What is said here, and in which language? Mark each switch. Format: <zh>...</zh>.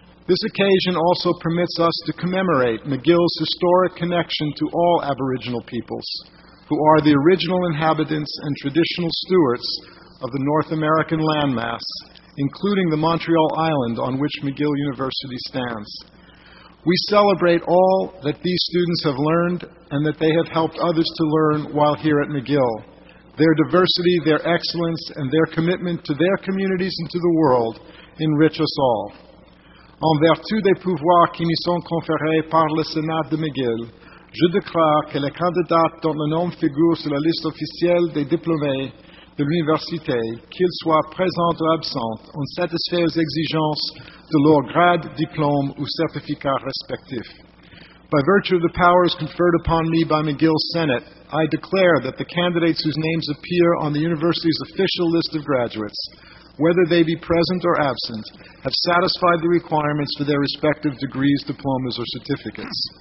<en>This occasion also permits us to commemorate McGill's historic connection to all Aboriginal peoples, who are the original inhabitants and traditional stewards of the North American landmass, including the Montreal Island on which McGill University stands. We celebrate all that these students have learned and that they have helped others to learn while here at McGill. Their diversity, their excellence, and their commitment to their communities and to the world enrich us all.</en> <fr>En vertu des pouvoirs qui me sont conférés par le Sénat de McGill, je déclare que les candidats dont le nom figure sur la liste officielle des diplômés de l'université, qu'ils soient présents ou absents, ont satisfait aux exigences de leur grade, diplôme ou certificat respectif.</fr> <en>By virtue of the powers conferred upon me by McGill Senate, I declare that the candidates whose names appear on the university's official list of graduates, whether they be present or absent, have satisfied the requirements for their respective degrees, diplomas, or certificates.</en>